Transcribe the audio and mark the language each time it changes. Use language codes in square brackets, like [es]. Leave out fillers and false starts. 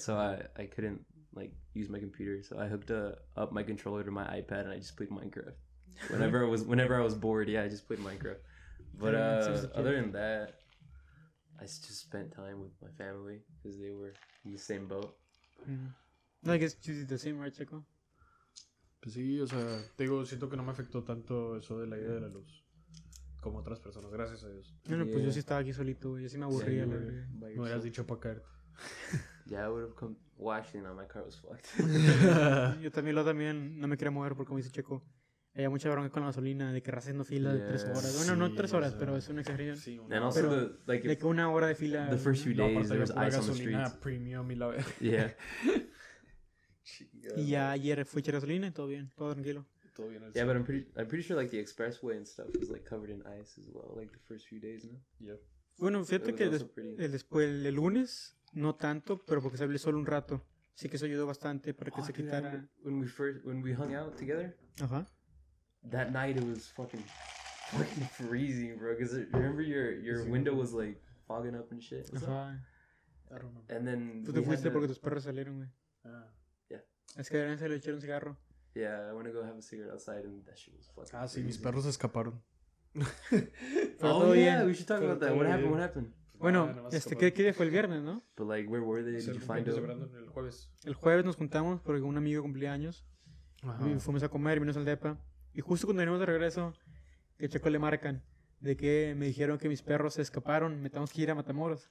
[en] So I couldn't, like, use my computer. So I hooked up my controller to my iPad and I just played Minecraft. Whenever I was bored, yeah, I just played Minecraft. But other than that, I just spent time with my family because they were in the same boat. Mm-hmm. I guess you did the same, right, Chico? [es] Pues sí, o sea, te digo, siento que no me afectó tanto eso de la idea de la luz como otras personas, gracias a Dios. Bueno, pues yo sí estaba aquí solito, güey, yo sí me aburría. me hubieras dicho pa' caerte. [en] Yeah, I would have come washing on my car was fucked. [es] Yo también no me quería mover porque, como dice Checo, había mucha bronca con la gasolina, de que raza haciendo fila de 3 horas. Bueno, sí, no 3 horas, o sea, pero es una exageración. [en] Sí, and also [es] de que una hora de fila. [en] The first few days, there was ice on the streets. [es] Gasolina premium y la vez. [en] Yeah. [es] Chica. Y ya ayer fui a gasolina y todo bien, todo tranquilo. Todo bien. [en] Yeah, but I'm pretty sure, like, the expressway and stuff was, like, covered in ice as well, like, the first few days, no? Yeah. [es] Bueno, fíjate que después, el lunes, no tanto, pero porque se habló solo un rato. Así que eso ayudó bastante para que se quitara. [en] When we hung out together, that night it was fucking freezing, bro. Because remember your window was, like, fogging up and shit? I don't know. And then [es] tú te fuiste porque tus perros salieron, güey. Es que deberían salir a echar un cigarro. [en] Yeah, I want to go have a cigarette outside and that shit was fucking crazy. [es] Sí, mis perros escaparon. [en] Oh, yeah, we should talk about that. What happened? [es] Bueno, ah, este, ¿qué día fue el viernes, no? [en] But like, where were they? Did you find them? [es] El jueves nos juntamos porque un amigo cumplía años. Uh-huh. Y fuimos a comer, vino al depa. Y justo cuando venimos de regreso, que Checo le marcan de que me dijeron que mis perros se escaparon, me tenemos que ir a Matamoros.